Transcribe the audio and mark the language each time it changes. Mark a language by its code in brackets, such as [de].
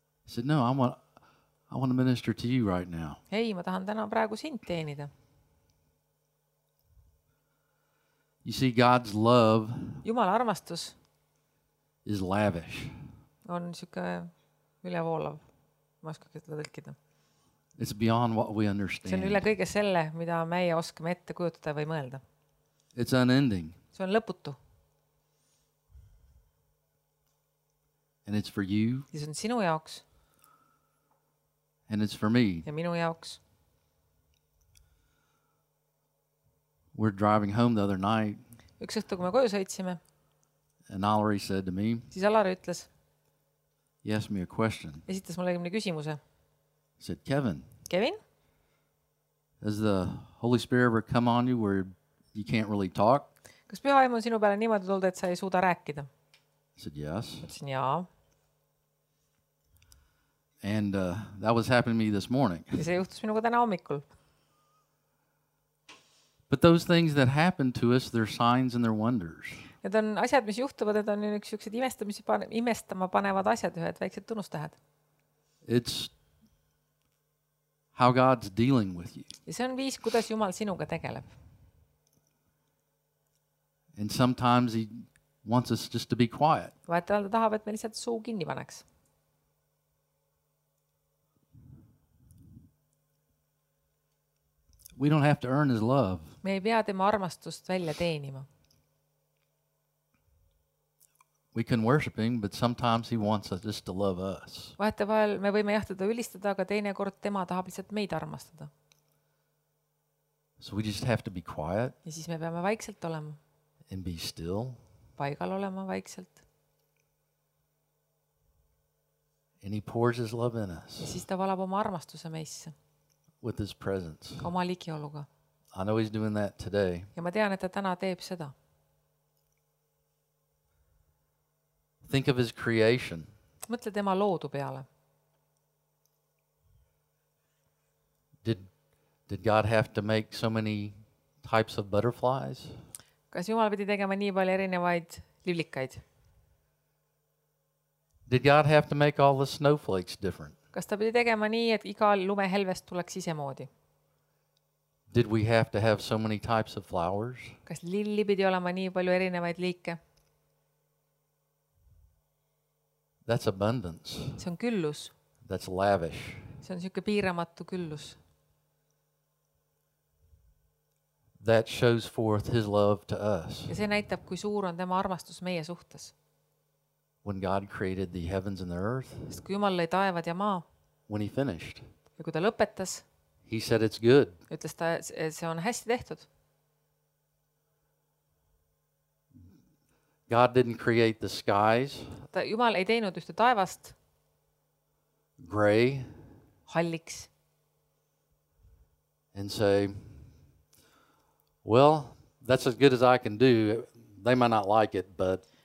[en] I said, "No, I want to minister to you right now." [et] Ei, ma tahan täna praegu sind teenida. [en] You see, God's love [et] Jumala armastus [en] is lavish. [et] On siuke ülevoolav. Ma oskan seda tõlkida. [en] It's beyond what we understand. [et] See on üle kõige selle, mida meie oskame ette kujutada või mõelda. [en] It's unending. [et] See on lõputu. [en] And it's for you. [et] Ja see on sinu jaoks. [en] And it's for me. [et] Ja minu jaoks. [en] We're driving home the other night. [et] Üks õhtu, kui me koju sõitsime. [en] And Alari said to me. [et] Siis Alari ütles. [en] He asked me a question. [et] Esitas mulle mingi küsimuse. [en] He said, "Kevin." [et] Kevin? [en] Has the Holy Spirit ever come on you where you can't really talk? [et] Kas Püha Vaim on sinu peale niimoodi tulnud, et sa ei suuda rääkida? [en] He said, "Yes." [et] Ütlesin, jaa. [en] And that was happening to me this morning. [et] Ja see juhtus minuga täna hommikul. [en] But those things that happen to us, they're signs and they're wonders. [et] Need on asjad, mis juhtuvad, need on üks üksed imestama panevad asjad, ühed väiksed tunnustähed. [en] It's how God's dealing with you. [et] Ja see on viis, kuidas Jumal sinuga tegeleb. [en] And sometimes he wants us just to be quiet. [et] Vahetevalt ta tahab, et me lihtsalt suu kinni paneks. [en] We don't have to earn his love. [et] Me ei pea tema armastust välja teenima. [en] We can worship him, but sometimes he wants us just to love us. [et] Vahetevahel me võime jahtada ülistada, aga teine kord tema tahab lihtsalt meid armastada. [en] So we just have to be quiet. [et] Ja siis me peame vaikselt olema. [en] And be still. [et] Paigal olema vaikselt. [en] And he pours his love in us. [et] Ja siis ta valab oma armastuse meisse. [en] With his presence. [et] Oma ligioluga. [en] I know he's doing that today. [et] Ja ma tean, et ta täna teeb seda. [en] Think of his creation. [et] Mõtle tema loodu peale. [en] Did God have to make so many types of butterflies? [et] Kas Jumal pidi tegema nii palju erinevaid liblikaid? [en] Did God have to make all the snowflakes different? [et] Kas ta pidi tegema nii, et igal lumehelvest tuleks isemoodi? [en] Did we have to have so many types of flowers? [et] Kas lilli pidi olema nii palju erinevaid liike? [en] That's abundance. [et] See on küllus. [en] That's lavish. [et] See on siuke piiramatu küllus. [en] That shows forth his love to us. [et] Ja see näitab, kui suur on tema armastus meie suhtes. [en] When God created the heavens and the earth. [et] Sest kui Jumal lõi taevad ja maa. [en] When he finished. [et] Ja kui ta lõpetas. [en] He said it's good. [et] Ütles ta, et see on hästi tehtud. [en] God didn't create the skies. [et] Ta Jumal ei teinud ühte taevast. [en] Gray. [et] Halliks. [en] And say, "Well, that's as good as I can do. They might not like it, but..."